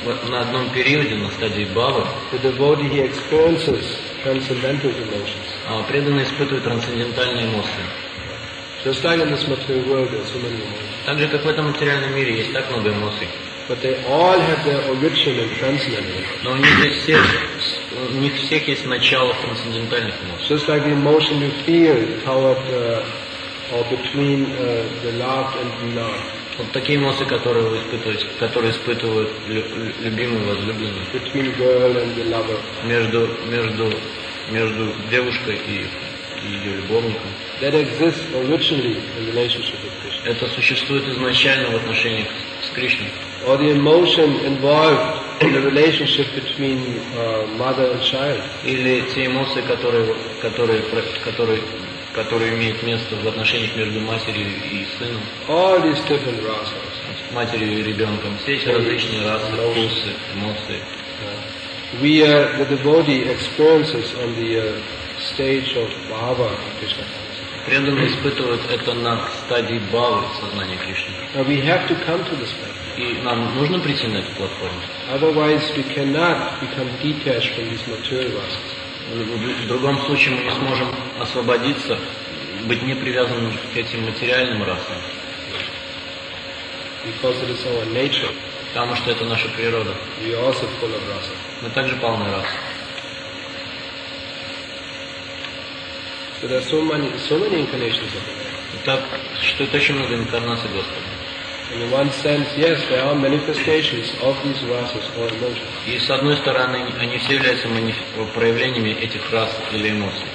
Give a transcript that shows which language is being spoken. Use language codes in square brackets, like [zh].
[ru] На одном периоде, на стадии Бхавы. [en] The devotee he experiences transcendental emotions. [ru] Преданный испытывает трансцендентальные эмоции. [en] Just like in this material world, there are so many emotions. [ru] Так же, как в этом материальном мире, есть так много эмоций. [en] But they all have their origin in transcendental. [ru] Но у них всех есть начало в трансцендентальных эмоциях. [en] Just like the emotion you feel toward or between the loved and beloved. [ru] Вот такие эмоции, которые испытывают любимый и возлюбленный. [en] Between girl and the lover. [ru] Между девушкой и ее любовником. [en] That exists originally in relationship with Krishna. [ru] Это существует изначально в отношениях с Кришной. [en] Or the emotion involved in the relationship between mother and child. [ru] Или те эмоции, которые имеют место в отношениях между матерью и сыном. [en] All these different rasas. [ru] Матерью и ребенком. Все эти различные расы, вкусы, эмоции. [en] We the devotee experiences on the stage of Bhava Krishna. [ru] Преданные испытывают это на стадии Бхавы сознания Кришны. [en] Now we have to come to this platform. [ru] И нам нужно прийти на эту платформу. [en] Otherwise we cannot become detached from these material rasas. [ru] В другом случае мы не сможем освободиться, быть не привязанным к этим материальным расам. [en] Because it is our nature. [ru] Потому что это наша природа. [en] We are also full of rasa. [ru] Мы также полны раса. [en] So there are so many incarnations of it. [ru] Так, что это очень много инкарнаций Господа. [en] In one sense, yes, there are manifestations of these rasas or emotions. [ru] И с одной стороны, они все являются проявлениями этих рас или эмоций.